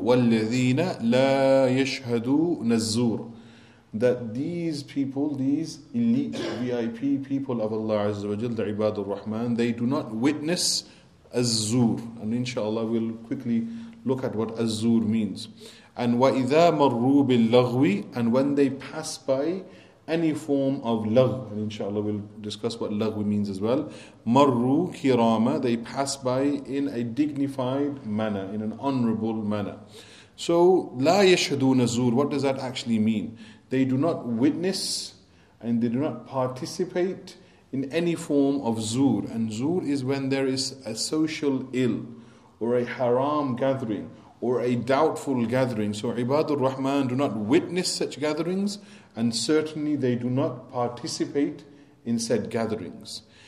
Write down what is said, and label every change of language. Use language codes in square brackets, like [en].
[ar] وَالَّذِينَ لَا يَشْهَدُونَ الزُّورَ. [en] That these people, these elite VIP people of Allah Azza wa Jal, the ibad al-Rahman, they do not witness Az-Zur. And inshaAllah we'll quickly look at what Az-Zur means. [ar] And وَإِذَا مَرُّوا بِاللَّغْوِ. [en] And when they pass by any form of lagh, and inshaAllah we'll discuss what lagh means as well. [ar] مَرُّوا كِرَامًا. [en] They pass by in a dignified manner, in an honourable manner. [ar] So لَا يَشْهَدُونَ الزُّور. [en] What does that actually mean? They do not witness and they do not participate in any form of zur. And zur is when there is a social ill, or a haram gathering, or a doubtful gathering. So ibadur rahman do not witness such gatherings, and certainly they do not participate in said gatherings.